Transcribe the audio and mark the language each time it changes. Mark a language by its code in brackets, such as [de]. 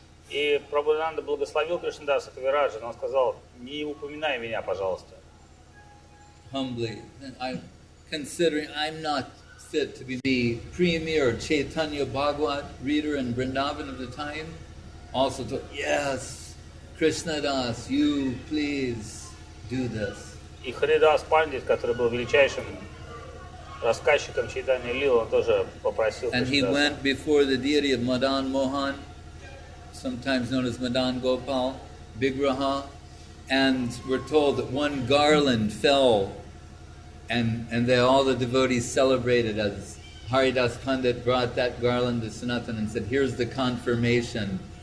[ru] И Прабхудананда благословил Кришнадаса Кавираджа, но он сказал, не упоминай меня, пожалуйста. [en] Humbly, I'm considering, I'm not fit to be the premier Chaitanya Bhagavat reader in Vrindavan of the time. Also to, yes, Krishnadas, you please do this. [ru] И Харидас Пандит, который был величайшим рассказчиком Чайтанья Лилы, он тоже попросил Кришна. [en] And he went before the deity of Madan Mohan, sometimes known as Madan Gopal, Bigraha, and we're told that one garland fell and they, all the devotees celebrated as Haridas Pandit brought that garland to Sanatana and said, here's the confirmation